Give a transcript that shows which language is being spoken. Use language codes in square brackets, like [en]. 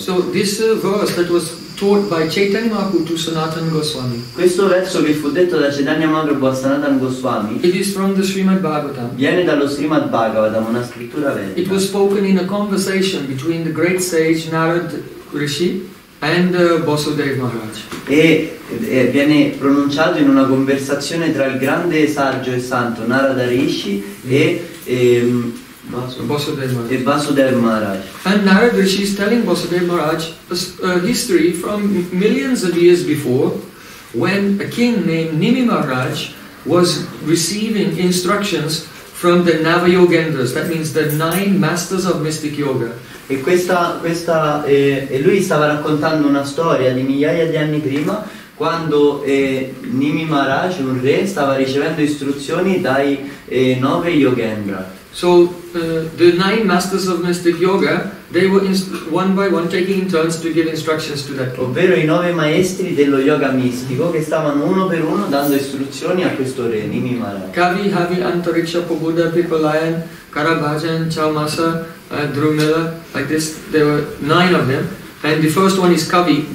[en] So this verse that was taught by Chaitanya Mahaprabhu to Sanatana Goswami. [it] Questo verso che fu detto da Chaitanya Mahaprabhu a Sanatana Goswami. [en] It is from the Srimad Bhagavatam. [it] Viene dallo Srimad Bhagavatam, una scrittura vedica. [en] It was spoken in a conversation between the great sage Narad Rishi and Vasudeva Maharaj. [it] E viene pronunciato in una conversazione tra il grande saggio e santo Narada Rishi e Vasudeva Maharaj. [en] And Narada Rishi is telling Vasudeva Maharaj a history from millions of years before, when a king named Nimi Maharaj was receiving instructions from the Navayogendras, that means the nine masters of mystic yoga. [it] E questa lui stava raccontando una storia di migliaia di anni prima, quando Nimi Maharaj, un re, stava ricevendo istruzioni dai nove Yogendra. [en] So the nine masters of mystic yoga, they were one by one taking turns to give instructions to that king. [it] Ovvero i nove maestri dello yoga mistico che stavano uno per uno dando istruzioni a questo re Nimi Maharaj. [en] Kavi Havi Antariksha Pobuddha Pipalayan Karabhajan Chaumasa Drumela, like this, there were nine of them, and the first one is Kavi.